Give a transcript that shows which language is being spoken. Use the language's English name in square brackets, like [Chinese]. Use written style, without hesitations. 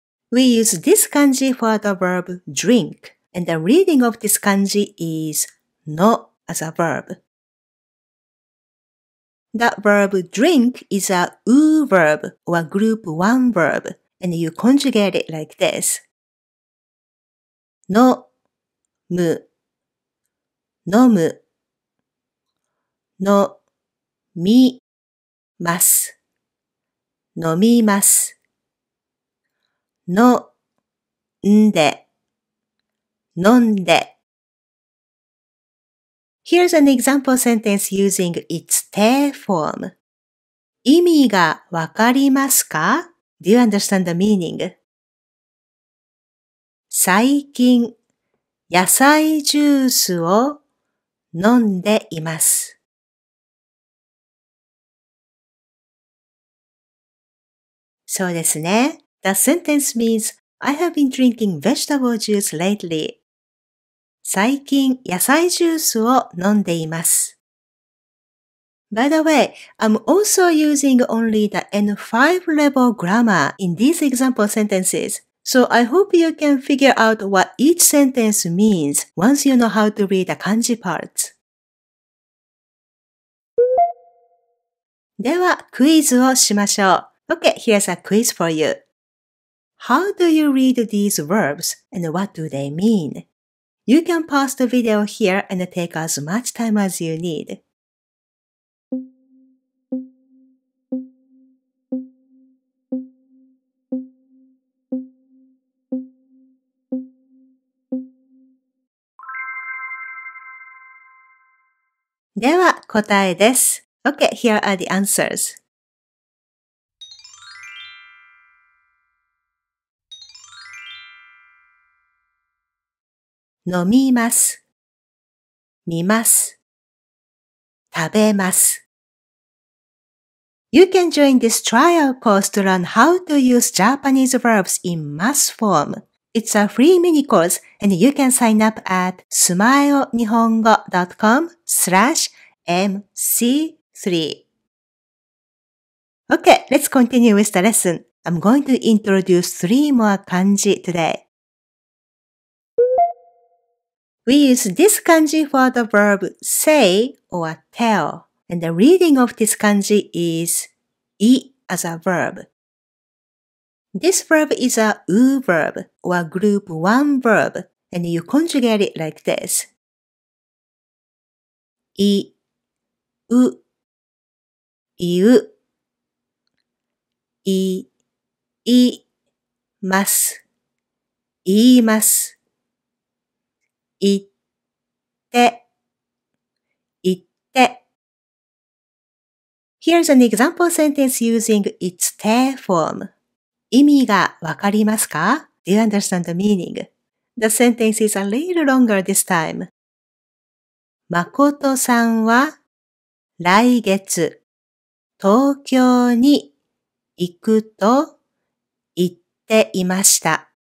[English] We use this 漢字 for the verb drink, and the reading of this 漢字 is の as a verb. The verb drink is a う verb or a group one verb, and you conjugate it like this. [Japanese] のむ、のむ、のみ、ます、飲みます。の、んで、飲んで。 [English] Here's an example sentence using its て form. [Japanese] 意味がわかりますか? [English] Do you understand the meaning? [Japanese] 最近、野菜ジュースを飲んでいます。そうですね。 [English] The sentence means, I have been drinking vegetable juice lately. [Japanese] 最近野菜ジュースを飲んでいます。 [English] By the way, I'm also using only the N5 level grammar in these example sentences. So I hope you can figure out what each sentence means once you know how to read the kanji parts. [Japanese] ではクイズをしましょう。 [English] Okay, here's a quiz for you. How do you read these verbs and what do they mean? You can pause the video here and take as much time as you need. [Japanese] では、答えです。 [English] Okay, here are the answers. [Japanese] 飲みます、見ます、食べます。 [English] You can join this trial course to learn how to use Japanese verbs in ます form. It's a free mini course and you can sign up at smilenihongo.com/mc3. Okay, let's continue with the lesson. I'm going to introduce three more kanji today. We use this kanji for the verb say or tell, and the reading of this kanji is i as a verb. This verb is a う verb or a group one verb, and you conjugate it like this. [Japanese] い、う、いう、い、い、ます、言います、い、て、言って。 [English] Here's an example sentence using its て form. [Japanese] 意味がわかりますか? [English] Do you understand the meaning? The sentence is a little longer this time. [Japanese] 誠さんは来月東京に行くと言っていました。